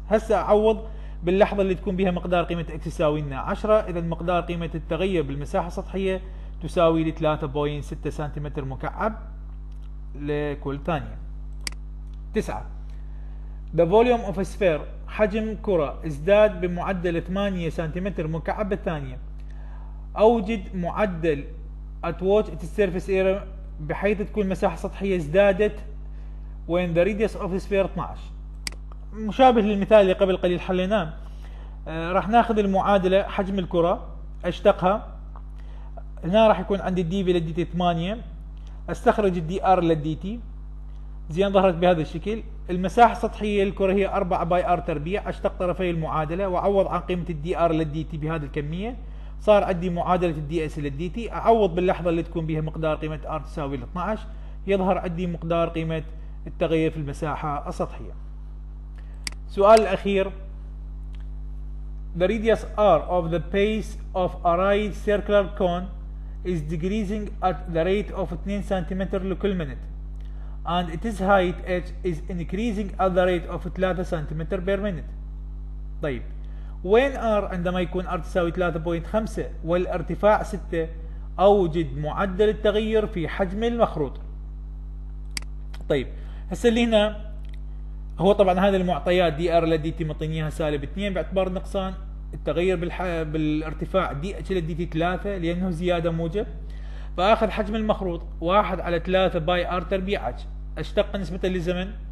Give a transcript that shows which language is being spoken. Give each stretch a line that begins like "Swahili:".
Arabic: هسه اعوض باللحظة اللي تكون بها مقدار قيمة اكس يساوي لنا 10، اذا مقدار قيمة التغير بالمساحة السطحية تساوي ل 3.6 سنتيمتر مكعب لكل ثانية. 9
English: The volume of a sphere
Arabic: حجم كرة ازداد بمعدل 8 سنتيمتر مكعب بالثانية. أوجد معدل
English: at watch at surface area
Arabic: بحيث تكون المساحة السطحية ازدادت
English: when the radius of the sphere 12.
Arabic: مشابه للمثال اللي قبل قليل حليناه. راح ناخذ المعادلة حجم الكرة اشتقها. هنا راح يكون عندي الدي في للدي تي 8. استخرج الدي ار للدي تي. زين ظهرت بهذا الشكل. المساحة السطحية للكرة هي 4 باي ار تربيع، اشتق طرفي المعادلة واعوض عن قيمة الدي ار للدي تي بهذه الكمية، صار عندي معادلة الدي اس للدي تي، اعوض باللحظة اللي تكون بها مقدار قيمة ار تساوي ل 12، يظهر عندي مقدار قيمة التغير في المساحة السطحية. سؤال الأخير.
English: The radius r of the base of a right circular cone is decreasing at the rate of 2 cm
Arabic: لكل
English: minute. And its height h is increasing at the rate of 3 cm per minute.
Arabic: طيب وين r عندما يكون r تساوي 3.5 والارتفاع 6، اوجد معدل التغير في حجم المخروط. طيب هسه اللي هنا هو طبعا هذه المعطيات دي ار لدي تي مطينيها سالب 2 باعتبار نقصان التغير بالارتفاع دي اتش لدي تي 3 لانه زياده موجب، فاخذ حجم المخروط 1 على 3 باي r تربيع h، اشتق نسبة للزمن.